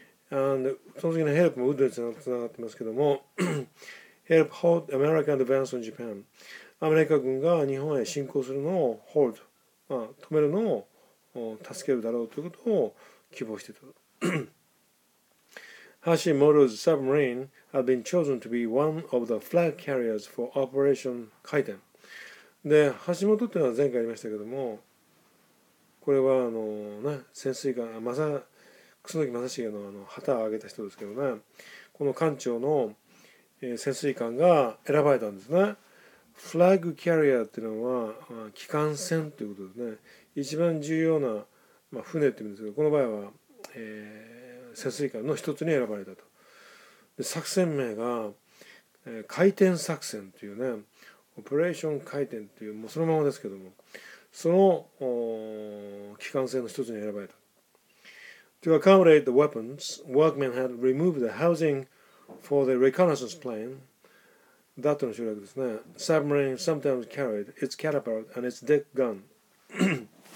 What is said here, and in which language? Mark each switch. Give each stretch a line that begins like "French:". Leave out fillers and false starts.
English: And、
Japanese: その次のヘルプもウッドにつながってますけども、
English: Help hold American advance on Japan。
Japanese: アメリカ軍が日本へ侵攻するのを hold、まあ、止めるのを助けるだろうということを希望してた。
English: Hashimoto's submarine had been chosen to be one of the flag carriers for Operation Kaiten。
Japanese: で、Hashimoto っていうのは前回ありましたけども、これはあのね、潜水艦、楠木正成 の、 あの旗を上げた人ですけどね、この艦長の、潜水艦が選ばれたんですね。 Flag carrier っていうのは、まあ、機関船ということですね。一番重要な、まあ、船って言うんですけど、この場合は、潜水艦の一つに選ばれたと。で、作戦名が、回転作戦というね、オペレーション回転っていう、もうそのままですけども、その機関船の一つに選ばれた。
English: To accommodate the weapons, workmen had removed the housing for the reconnaissance plane、 that
Japanese: の省略ですね。
English: Submarine sometimes carried its catapult and its deck gun。